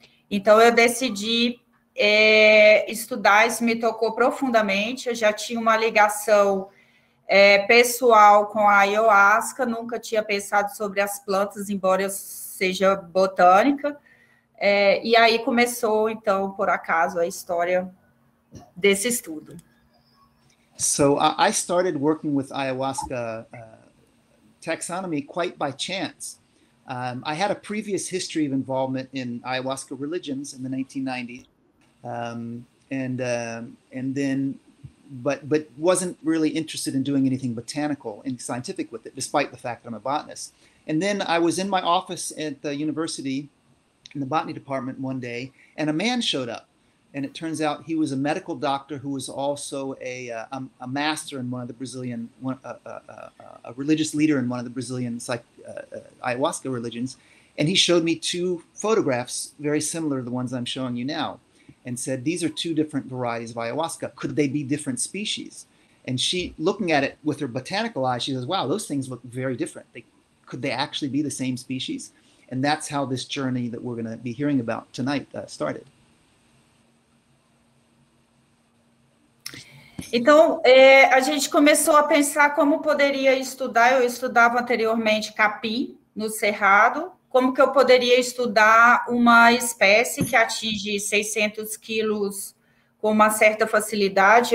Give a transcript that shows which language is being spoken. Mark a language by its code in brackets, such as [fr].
[pt] Então eu decidi estudar, isso me tocou profundamente. Eu já tinha uma ligação pessoal com a ayahuasca, nunca tinha pensado sobre as plantas, embora eu seja botânica. E aí começou, então, por acaso, a história desse estudo. [en] So I started working with ayahuasca taxonomy quite by chance. I had a previous history of involvement in ayahuasca religions in the 1990s, and then, but wasn't really interested in doing anything botanical and scientific with it, despite the fact that I'm a botanist. And then I was in my office at the university, in the botany department one day, and a man showed up. And it turns out he was a medical doctor who was also a master in one of the Brazilian, a religious leader in one of the Brazilian ayahuasca religions. And he showed me two photographs very similar to the ones I'm showing you now and said, these are two different varieties of ayahuasca. Could they be different species? And she, looking at it with her botanical eyes, she says, wow, those things look very different. Could they actually be the same species? And that's how this journey that we're going to be hearing about tonight started. [pt] Então, a gente começou a pensar como poderia estudar. Eu estudava anteriormente capim no Cerrado, como que eu poderia estudar uma espécie que atinge 600 quilos com uma certa facilidade.